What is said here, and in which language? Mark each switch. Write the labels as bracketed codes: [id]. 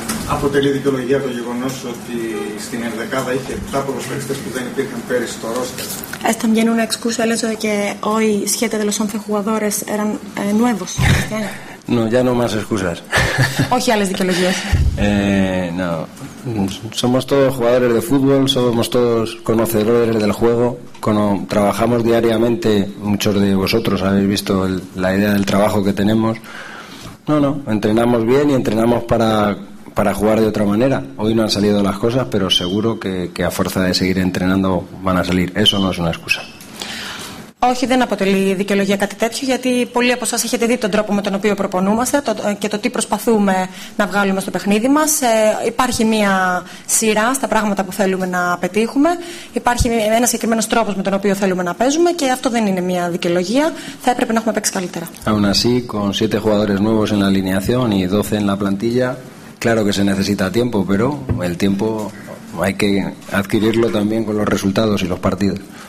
[el] Αποτελεί δικαιολογία το γεγονός ότι στην ενδεκάδα είχε 7 ποδοσφαιριστές που δεν υπήρχαν πέρυσι στο ρόστερ? [es] Es también una excusa el hecho de que hoy 7 de los 11 jugadores eran nuevos. No, ya no más excusas. [el] Όχι άλλες δικαιολογίες. [es] No. Somos todos jugadores de fútbol, somos todos conocedores del juego. Trabajamos diariamente, muchos de vosotros habéis visto la idea del trabajo que tenemos. No, entrenamos bien y entrenamos para jugar de otra manera. Hoy no han salido las cosas, pero seguro que a fuerza de seguir entrenando van a salir. Eso no es una excusa. [el] Όχι, δεν αποτελεί δικαιολογία κάτι τέτοιο, γιατί πολλοί από εσάς έχετε δει τον τρόπο με τον οποίο προπονούμαστε και το τι προσπαθούμε να βγάλουμε στο παιχνίδι μας. Υπάρχει μια σειρά στα πράγματα που θέλουμε να πετύχουμε. Υπάρχει ένας συγκεκριμένος τρόπος με τον οποίο θέλουμε να παίζουμε και αυτό δεν είναι μια δικαιολογία. Θα έπρεπε να έχουμε παίξει καλύτερα. [es] Aún así, con 7 jugadores nuevos en la alineación y 12 en la plantilla, claro que se necesita tiempo, pero el tiempo hay que adquirirlo también con los resultados y los partidos.